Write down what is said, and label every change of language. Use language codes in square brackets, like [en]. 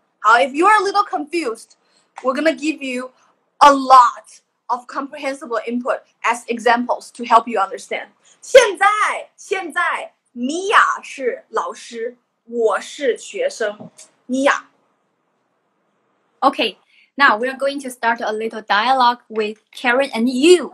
[en] 好 ，if you are a little confused， we're gonna give youA lot of comprehensible input as examples to help you understand. [zh] 现在，米娅是老师，我是学生。米娅。 [en] Okay, now we are going to start a little dialogue with Karen and you.